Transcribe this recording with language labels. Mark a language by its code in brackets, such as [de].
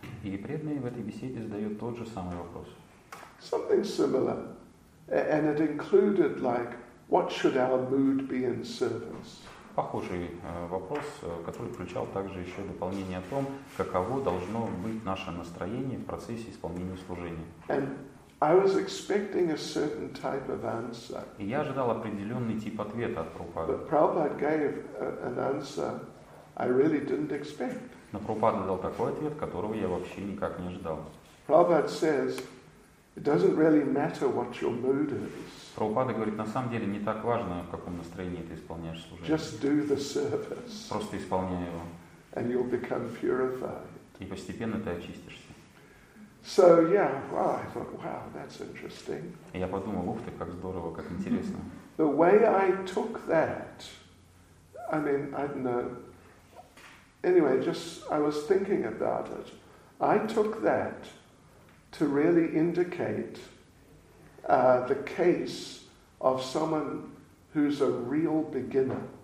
[ru] И преданный в этой беседе задает тот же самый вопрос. [en] Something similar, and it included like, what should our mood be in service? [ru] Похожий вопрос, который включал также еще дополнение о том, каково должно быть наше настроение в процессе исполнения служения. [en] And I was expecting a certain type of answer. [ru] И я ожидал определенный тип ответа от Прабхупады. [en] But Prabhupada gave an answer I really didn't expect. [ru] Но Прабхупада дал такой ответ, которого я вообще никак не ожидал. [en] Prabhupada says, it doesn't really matter what your mood is. [ru] Прабхупада говорит, на самом деле не так важно, в каком настроении ты исполняешь служение. [en] Just do the service. [ru] Просто исполняй его. [en] And you'll become purified. [ru] И постепенно ты очистишься. [en] So yeah, well, I thought, wow, that's interesting. [ru] И я подумал, ух ты, как здорово, как интересно. [en] The way I took that, I mean, I don't know. Anyway, just I was thinking about it. I took that to really indicate the case of someone who's a real beginner.